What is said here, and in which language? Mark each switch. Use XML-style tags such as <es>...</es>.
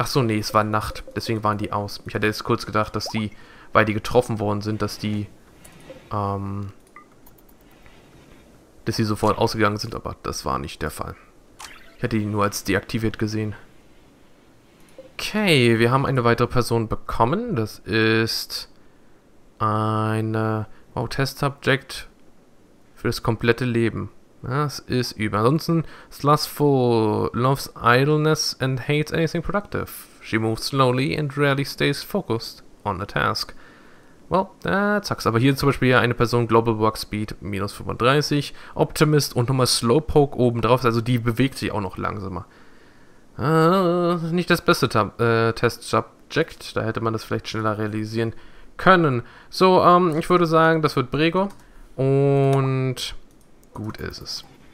<de>Ach so, nee, es war Nacht. Deswegen waren die aus. Ich hatte jetzt kurz gedacht, dass die, weil die getroffen worden sind, dass die, dass sie sofort ausgegangen sind, aber das war nicht der Fall. Ich hatte die nur als deaktiviert gesehen. Okay, wir haben eine weitere Person bekommen. Das ist eine wow, Test-Subject für das komplette Leben. Das ist über.</de> <en>Ansonsten, Slothful loves idleness and hates anything productive. She moves slowly and rarely stays focused on a task. Well, that sucks.</en> <de>Aber hier zum Beispiel eine Person, Global Work Speed minus 35, Optimist und nochmal Slowpoke obendrauf. Also die bewegt sich auch noch langsamer. Nicht das beste Test-Subject. Da hätte man das vielleicht schneller realisieren können. So, ich würde sagen, das wird Brego. Und gut ist es.</de>